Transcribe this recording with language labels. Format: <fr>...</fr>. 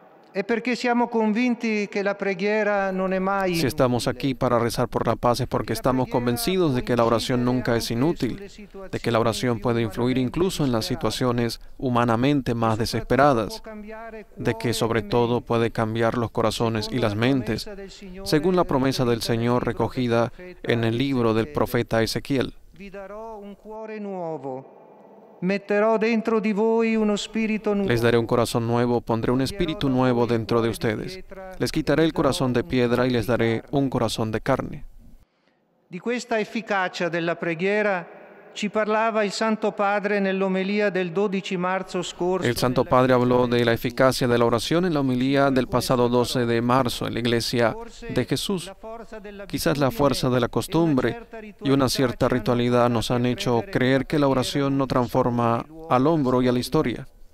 <it>È perché siamo convinti che la preghiera non è mai</it> <es>inutile. Si estamos aquí para rezar por la paz es porque estamos convencidos de que la oración nunca es inútil, de que la oración puede influir incluso en las situaciones humanamente más desesperadas, de que sobre todo puede cambiar los corazones y las mentes, según la promesa del Señor recogida en el libro del profeta Ezequiel.</es> <it>Vi darò un cuore nuovo. Metterò dentro di voi uno spirito nuovo.</it> <es>Les daré un corazón nuevo, pondré un espíritu nuevo dentro de ustedes. Les quitaré el corazón de piedra y les daré un corazón de carne.</es> <it>Di questa efficacia della preghiera ci parlava il Santo Padre nell'omelia del 12 marzo scorso.</it> <es>El Santo Padre habló de la eficacia de la oración en la homilía del pasado 12 de marzo en la Iglesia de Jesús. Quizás la fuerza de la costumbre y una cierta ritualidad nos han hecho creer que la oración no transforma al hombre y a la historia.</es>